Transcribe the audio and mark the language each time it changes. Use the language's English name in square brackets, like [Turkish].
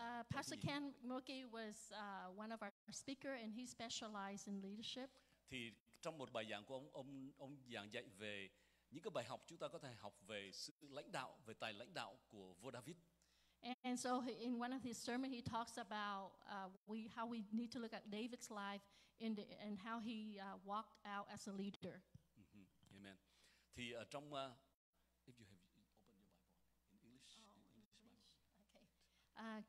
[English] Pastor Ken Moki was one of our speakers, and he specialized in leadership. [Vietnamese] Thì trong một bài giảng của ông giảng dạy về những cái bài học chúng ta có thể học về sự lãnh đạo, về tài lãnh đạo của vua David. [English] And so in one of his sermons, he talks about how we need to look at David's life and how he walked out as a leader. Mm-hmm. Amen. [Vietnamese] Thì trong, [English] if you have opened your Bible in English. Oh, in English Bible. Okay.